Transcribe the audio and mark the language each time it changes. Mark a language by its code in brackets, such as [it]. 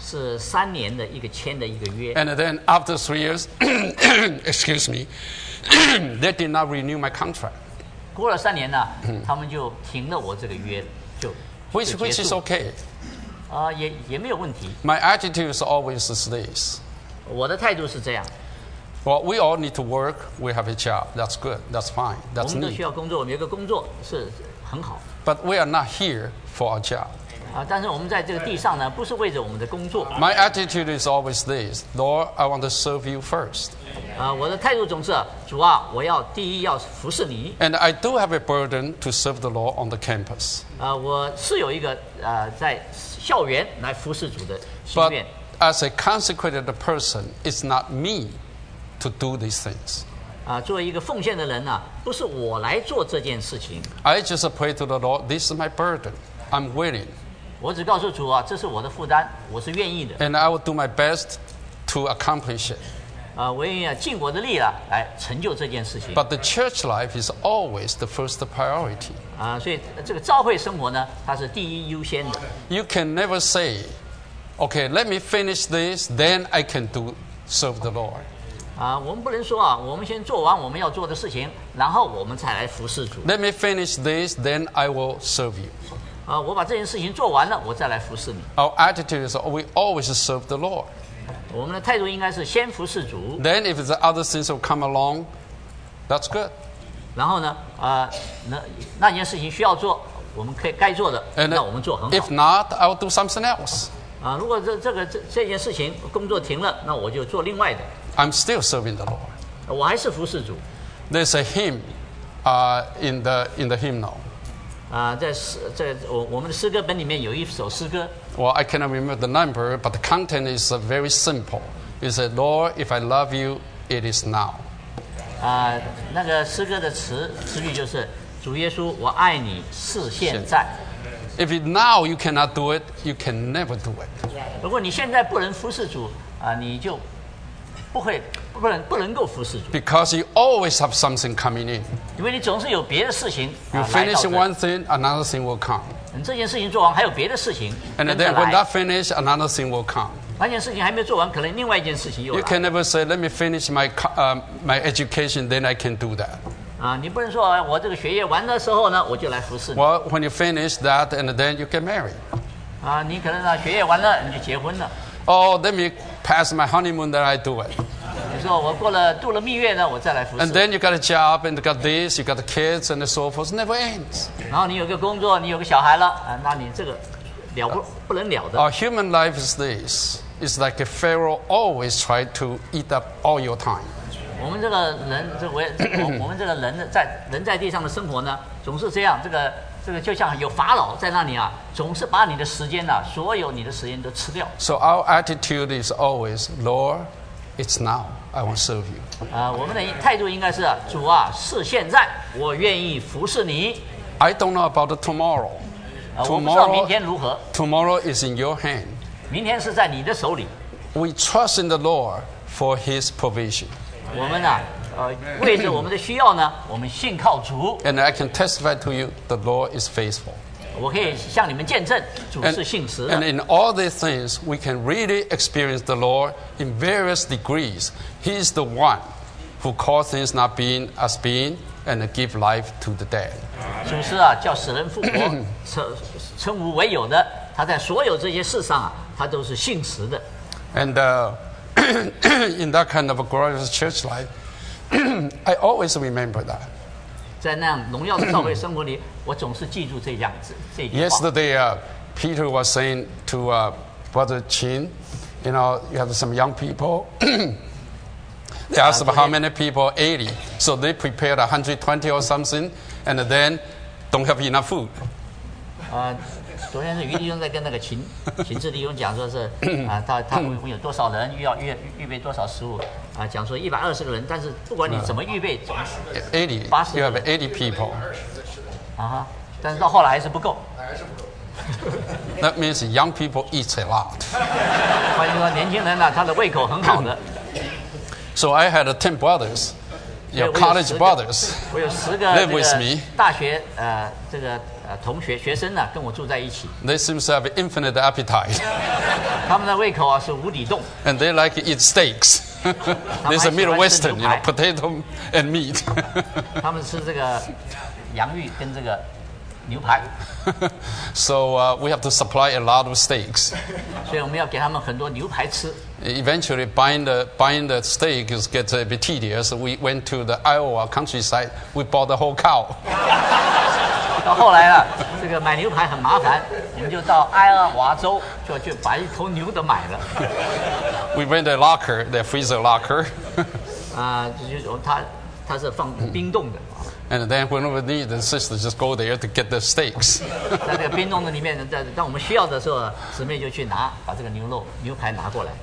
[en] And then after 3 years, excuse me, they did not renew my contract. [zh] 过了三年呢，他们就停了我这个约，就 [en] which is okay. [zh] 啊，也没有问题。 [en] My attitude is always this. [zh] 我的态度是这样。 [en] Well, we all need to work. We have a job. That's good. That's fine. That's need. [zh] 我们都需要工作，我们有一个工作是很好。 [en] But we are not here for our job. [zh] 啊，但是我们在这个地上呢，不是为着我们的工作。 [en] My attitude is always this. Lord, I want to serve you first. [zh] 啊，我的态度总是主啊，我要第一要服侍你。 [en] And I do have a burden to serve the Lord on the campus. [zh] 啊，我是有一个在校园来服侍主的心愿。 [en] But as a consecrated person, it's not me. To do these things. [zh] 啊，作为一个奉献的人呢，不是我来做这件事情。 [en] I just pray to the Lord. This is my burden. I'm willing. [zh] 我只告诉主啊，这是我的负担，我是愿意的。 [en] And I will do my best to accomplish it. [zh] 啊，我愿意尽我的力了，来成就这件事情。 [en] But the church life is always the first priority. [zh] 啊，所以这个教会生活呢，它是第一优先的。 [en] You can never say, "Okay, let me finish this, then I can do serve the Lord." [zh] 我们不能说啊，我们先做完我们要做的事情，然后我们才来服侍主。 [en] Let me finish this, then I will serve you. [zh] 我把这件事情做完了，我再来服侍你。 [en] Our attitude is we always serve the Lord. [zh] 我们的态度应该是先服侍主。 [en] Then if the other things will come along, that's good. [zh] 然后呢，那件事情需要做，我们可以该做的，那我们做很好。 [en] If not, I will do something else. [zh] 如果这件事情工作停了，那我就做另外的。 [en] I'm still serving the Lord. [zh] 我还是服侍主。 [en] There's a hymn, in the hymnal. [zh] 在我们的诗歌本里面有一首诗歌。 [en] Well, I cannot remember the number, but the content is very simple. It says, "Lord, if I love you, it is now." [zh] 那个诗歌的词语就是“主耶稣，我爱你，是现在”。 [en] If it now you cannot do it, you can never do it. [zh] 如果你现在不能服侍主，你就不能够服侍主。 [en] Because you always have something coming in. [zh] 因为你总是有别的事情。 [en] You finish one thing, another thing will come. [zh] 这件事情做完，还有别的事情。 [en] And then when that finish, another thing will come. [zh] 那件事情还没做完，可能另外一件事情又来。 [en] You can never say, "Let me finish my education, then I can do that." [zh] 你不能说我这个学业完的时候呢，我就来服侍你。 [en] Well, when you finish that, and then you get married. [zh] 你可能学业完了，你就结婚了。 [en] Oh, let me pass my honeymoon, then I do it. [zh] 你说我过了度了蜜月呢，我再来服侍。 [en] And then you got a job, and got this, you got kids, and so forth. Never ends. [zh] 然后你有个工作，你有个小孩了，那你这个不能了的。 [en] Our human life is this: it's like a pharaoh always trying to eat up all your time. [zh] 我们这个人，我们这个人在地上的生活呢，总是这样。这个就像有法老在那里啊，总是把你的时间所有你的时间都吃掉。 [en] So our attitude is always, "Lord, it's now. I want to serve you." [zh] 我们的态度应该是，主啊，是现在，我愿意服侍你。 [en] I don't know about tomorrow. [zh] 我不知道明天如何。 [en] Tomorrow is in your hand. [zh] 明天是在你的手里。 [en] We trust in the Lord for His provision. [zh] 我们啊。为着我们的需要呢，我们信靠主。 [en] And I can testify to you, the Lord is faithful. [zh] 我可以向你们见证，主是信实的。 [en] And in all these things, we can really experience the Lord in various degrees. He is the one who calls things not being as being and give life to the dead. [zh] 主是叫死人复活，称无为有的。他在所有这些事上他都是信实的。 [en] And in that kind of a glorious church life. I always remember that. [zh] 在那样荣耀的教会生活里，我总是记住这样子这句话。 [en] Yesterday, Peter was saying to Brother Chin, "You know, you have some young people. They asked about how many people? 80. So they prepared 120 or something, and then don't have enough food." [zh] 昨天是余弟兄在跟那个秦志弟兄讲，说是他会不会有多少人要预备多少食物。讲说120个人，但是不管你怎么预备，80 [en] you have 80 people. [zh] 但是到后来还是不够。 [en] That means young people eat a lot. [zh] 欢迎说年轻人他的胃口很好的。 [en] So I had 10 brothers, your college brothers, live with me. [zh] 大学这个同学学生呢、啊、跟我住在一起。 [en] They seem to have infinite appetite. [zh] 他们的胃口啊是无底洞。 [en] And they like to eat steaks. There's a Middle Western, you know, potato and meat. [zh] 他们吃这个洋芋跟这个牛排。 [en] So we have to supply a lot of steaks. [zh] 所以我们要给他们很多牛排吃。 [en] Eventually, buying the steak gets a bit tedious. We went to the Iowa countryside. We bought the whole cow. [zh] 到后来了，这个买牛排很麻烦，我们就到爱阿华州，就去把一头牛都买了。 [en] We rent a locker, the freezer locker. [zh] 啊，就是它是放冰冻的。 [en] And then when we need, the sisters just go there to get the steaks. [zh] 在这个冰冻的里面，在当我们需要的时候，姊妹就去拿，把这个牛肉、牛排拿过来。